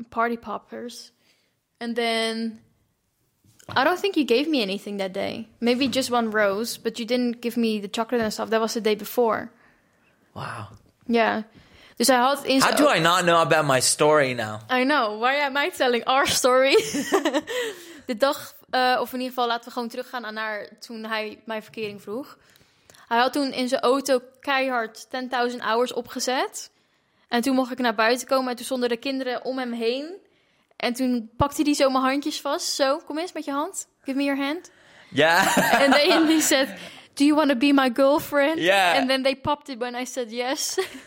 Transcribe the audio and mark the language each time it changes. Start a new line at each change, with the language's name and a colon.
English: Party poppers. And then... I don't think you gave me anything that day. Maybe just one rose, but you didn't give me the chocolate and stuff. That was the day before. Wow. Yeah. Dus I had How do I not know about my story now? I know. Why am I telling our story?
Dutch: De dag, of in ieder geval laten we gewoon teruggaan naar toen hij mijn verkering vroeg. Hij had toen in zijn auto keihard 10,000 hours opgezet. En toen mocht ik naar buiten komen en toen stonden de kinderen om hem heen. En toen pakte hij zo mijn handjes vast. Zo, kom eens met je hand.
English: Give me your hand. Yeah. And then he said, do you want to be my girlfriend? Yeah. And then they popped it when I said yes.